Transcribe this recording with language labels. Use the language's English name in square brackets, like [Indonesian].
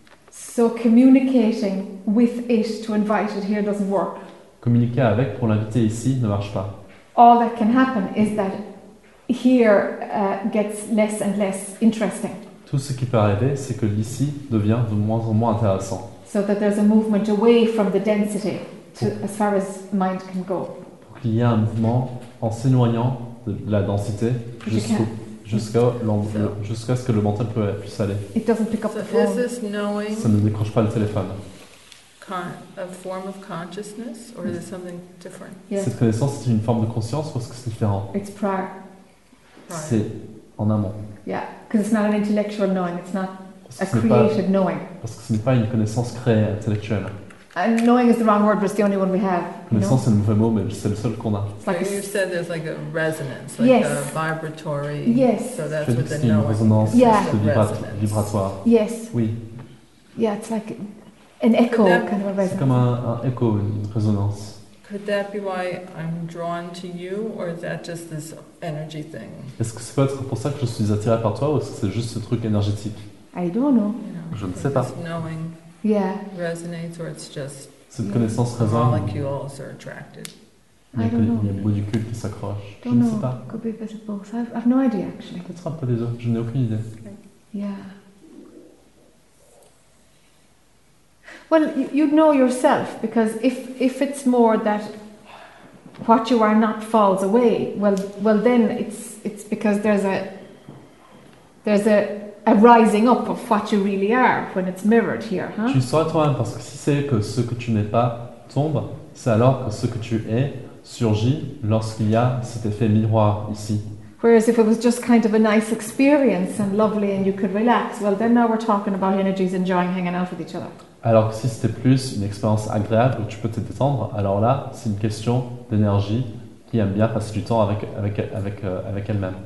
[English] So communicating with it to invite it here doesn't work. [French] Communiquer avec pour l'inviter ici ne marche pas. [English] All that can happen is that here gets less and less interesting. [French] Tout ce qui peut arriver, c'est que l'ici devient de moins en moins intéressant. [English] So that there's a movement away from the density to as far as mind can go. [French] Pour qu'il y ait un mouvement en s'éloignant de la densité jusqu'à ce que le mental puisse aller. [English] It doesn't pick up so the phone. Is this knowing? [French] Ça ne décroche pas le téléphone. [English] A form of consciousness, or is it something different? Yes. [French] Cette connaissance est une forme de conscience ou est-ce que c'est différent? [English] It's prior. [French] C'est en amont. [English] Yeah, because it's not an intellectual knowing. It's not a created knowing. [French] Parce que ce n'est pas une connaissance créée intellectuelle. [English] And knowing is the wrong word, but it's the only one we have. [French] Connaissance est un mauvais mot, mais c'est le seul qu'on a. [English] Like you said, there's like a resonance, like a vibratory. Yes. So that's what the knowing. [French] Une résonance, vibratoire. [English] Yes. [French] Oui. [English] Yeah, it's like an echo, kind of a resonance. [French] C'est comme un écho, une résonance. [English] Could that be why I'm drawn to you, or is that just this energy thing? [French] Est-ce que c'est peut-être pour ça que je suis attiré par toi, ou est-ce que c'est juste ce truc énergétique? [English] I don't know. [French] Je ne sais pas. [English] This knowing resonates, or it's just [French] cette connaissance résonne. [English] Molecules are attracted. [French] Il y a des molécules qui s'accrochent. [English] Don't know. [French] Je ne sais pas. [English] Could be a bit of both. I've no idea actually. [French] Peut-être un peu des deux. Je n'ai aucune idée. [English] Okay. Yeah. Well, you'd know yourself, because if it's more that what you are not falls away, well then it's because there's a rising up of what you really are when it's mirrored here, huh? [French] Tu sois toi-même, parce que si c'est que ce que tu n'es pas tombe, c'est alors que ce que tu es surgit lorsqu'il y a cet effet miroir ici. [English] Whereas if it was just kind of a nice experience and lovely and you could relax, well then now we're talking about energies enjoying hanging out with each other. [French] Alors que si c'était plus une expérience agréable où tu peux te détendre, alors là, c'est une question d'énergie qui aime bien passer du temps avec elle-même.